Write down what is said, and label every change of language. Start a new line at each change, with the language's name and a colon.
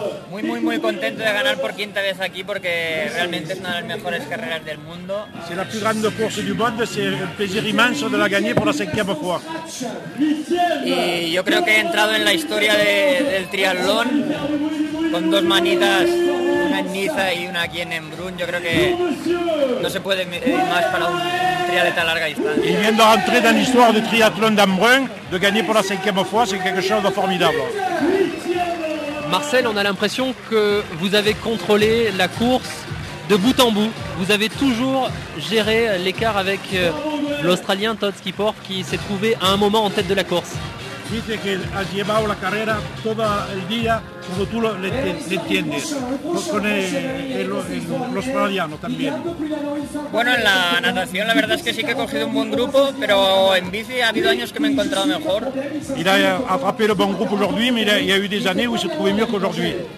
Spanish: Muy muy muy contento de ganar por quinta vez aquí porque realmente es una de las mejores carreras del mundo.
French: C'est la plus grande course du monde, c'est un plaisir immense de la gagner pour la cinquième fois.
Spanish: Y yo creo que he entrado en la historia del triatlón con dos manitas. En Niza y una aquí en Embrun, yo creo que no se puede más para un triatleta a larga distancia. Y viendo entrar en la historia del triatlón de Embrun, de ganar por la
French: cinquième fois,
Spanish: es
French: quelque chose de formidable. Marcel, on a l'impression que vous avez contrôlé la course de bout en bout. Vous avez toujours géré l'écart avec l'Australien Todd Skipper qui s'est trouvé à un moment en tête de la course.
Spanish: Dice que has llevado la carrera todo el día como tú lo entiendes, con el australiano también. Bueno, en la natación la verdad es que sí que he cogido un buen grupo, pero en bici ha habido años que me he encontrado mejor.
French: Il a attrapé le bon groupe aujourd'hui, mais il y a eu des années où il se trouvait mieux qu'aujourd'hui.